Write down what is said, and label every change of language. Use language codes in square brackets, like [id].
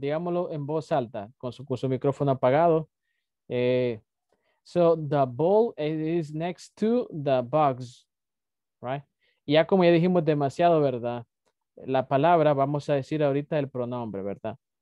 [es] Digámoslo en voz alta, con su micrófono apagado. [en] So the ball is next to the box, right? [es] Ya como ya dijimos demasiado, ¿verdad? La palabra, vamos a decir ahorita el pronombre, ¿verdad?